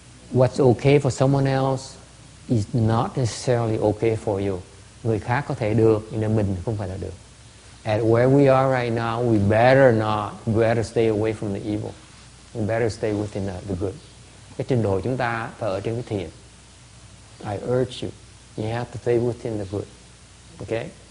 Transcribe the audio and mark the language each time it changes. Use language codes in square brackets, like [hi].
[en] What's okay for someone else is not necessarily okay for you. [vi] Người khác có thể được, nhưng mà mình không phải là được. [en] At where we are right now, we better stay away from the evil. We better stay within the good. [vi] Cái trình độ chúng ta phải ở trên cái thiện. [en] I urge you, you have to stay within the good. Okay?